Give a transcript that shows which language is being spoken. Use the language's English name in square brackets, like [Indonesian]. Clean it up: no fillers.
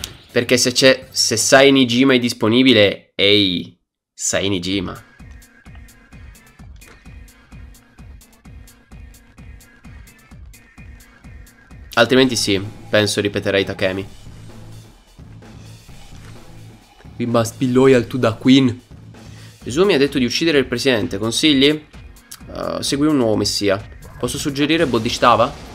[Italian] Perché se c'è, se Sai Nijima è disponibile, ehi, Sai Nijima. Altrimenti sì, penso ripeterei Takemi. [English] We must be loyal to the queen. [Italian] Gesù mi ha detto di uccidere il presidente, consigli? Segui un nuovo messia. Posso suggerire Bodhisattva?